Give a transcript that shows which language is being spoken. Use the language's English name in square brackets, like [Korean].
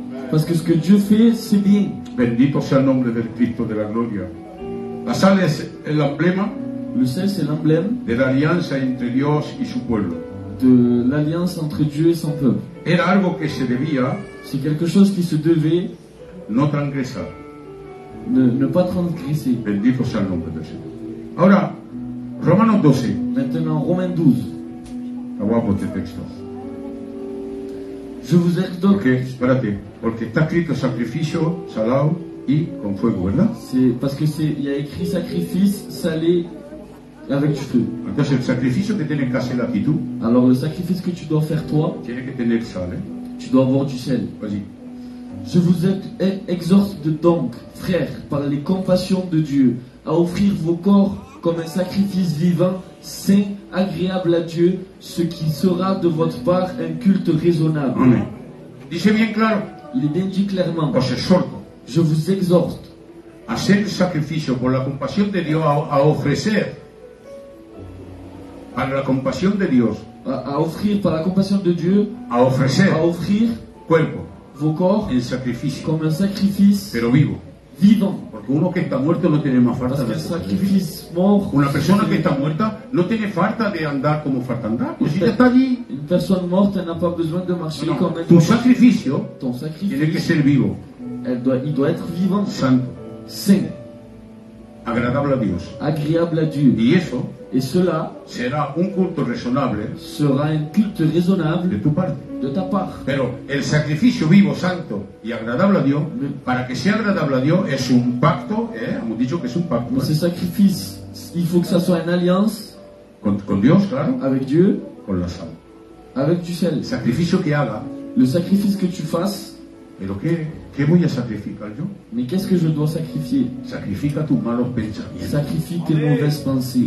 [French] Parce que ce que Dieu fait, c'est bien. [Spanish] Bendito sea el nombre del Cristo de la gloria. La sal es el emblema. [French] Le sel, c'est l'emblème. [Spanish] De la alianza entre Dios y su pueblo. [French] De l'alliance entre Dieu et son peuple. [Spanish] Era algo que se debía. [French] C'est quelque chose qui se devait. [Spanish] No transgresar. [French] Ne pas transgresser. [Spanish] Bendito sea el nombre del Señor. Ahora, Romanos 12. [French] Maintenant, Romains 12. [Spanish] Aguamos este texto. [French] Je vous exhorte. [Spanish] Porque, espérate, porque está escrito sacrificio salado y con fuego, ¿verdad? Sí, porque [French] il y a écrit sacrifice salé avec du feu. [Spanish] Entonces, el sacrificio que tiene que hacer la actitud. [French] Alors, le sacrifice que tu dois faire toi. [Spanish] Tiene que tener sal, ¿eh? [French] Tu dois avoir du sel. Vas-y. Je vous exhorte donc, frères, par les compassions de Dieu, à offrir vos corps comme un sacrifice vivant, saint, agréable à Dieu, ce qui sera de votre part un culte raisonnable. [Spanish] Amen. Dice bien claro. [French] Il est bien dit clairement. [Spanish] Os exhorto. [French] Je vous exhorte. [Spanish] Hacer el sacrificio por la compasión de Dios a ofrecer. Para la compasión de Dios. A ofrecer para la compasión de Dios. A ofrecer. A ofrecer. Cuerpo. [French] Vos corps. [Spanish] En sacrificio. Como un sacrificio. Pero vivo. [French] Vivant. [Spanish] Porque uno que está muerto no tiene más falta de andar. Una persona que está muerta no tiene falta de andar como falta andar. Pues si está allí. [French] Une personne morte n'a pas besoin de marcher comme elle. [Spanish] Tu sacrificio. [French] Ton sacrifice. [Spanish] Tiene que ser vivo. [French] Il doit être vivant. [Spanish] Santo. [French] Saint. [Spanish] Agradable a Dios. [French] Agréable à Dieu. [Spanish] Y eso. [French] Et cela. [Spanish] Será un culto razonable. [French] Sera un culte raisonnable. [Spanish] De tu parte. [French] De ta part. [Spanish] Pero el sacrificio vivo, santo y agradable a Dios, para que sea agradable a Dios, es un pacto, hemos dicho que es un pacto. Ese sacrificio, [French] il faut que ça soit une alliance. [Spanish] Con Dios, claro. [French] Avec Dieu. [Spanish] Con la sal. [French] Avec du sel. [Spanish] Sacrificio que haga. [French] Le sacrifice que tu fasses. [Spanish] Pero qué voy a sacrificar yo? [French] Mais qu'est-ce que je dois sacrifier? [Spanish] Sacrifica tus malos pensamientos. [French] Sacrifie tes mauvaises pensées.